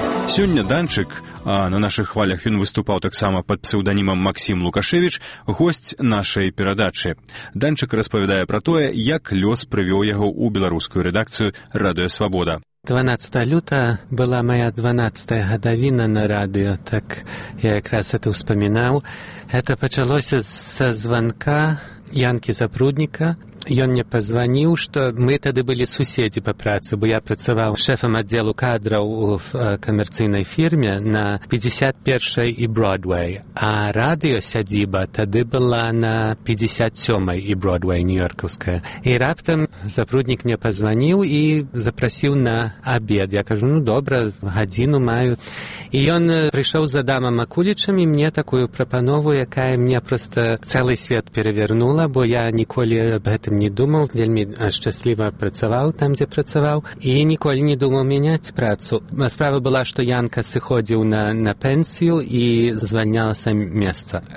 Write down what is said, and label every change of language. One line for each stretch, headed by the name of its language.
Belarusian: Сёння Данчык, а на нашых хвалях ён выступаў таксама пад псеўданімам Максім Лукашэвіч, госць нашай перадачы. Данчык распавядае пра тое, як лёс прывёў яго ў беларускую рэдакцыю «Радіо Свабода».
Russian: 12 лютого была моя 12-я годовина на радио, так я как раз это вспоминал. Это началось со звонка Янки Запрудника. И он мне позвонил, что мы тогда были соседи по праце,
Belarusian: бо я працевал
Russian: шефом отдела кадров в коммерцийной фирме на 51-й и Бродвей. А радио «Сядиба» тогда была на 57-й и Бродвей нью-йорковская.
Belarusian: И раптом
Russian: Запрудник мне позвонил и запросил на обед.
Belarusian: Я кажу, ну, добро, годину маю.
Russian: И он пришел за Адамом Акулічем и мне такую
Belarusian: пропанову, якая
Russian: мне просто целый свет перевернула, бо я николи об этом не думал, вельми счастливо працевал там, где працевал, и николи не думал менять працу. Справа была, что Янка сыходил на пенсию и звонялся место.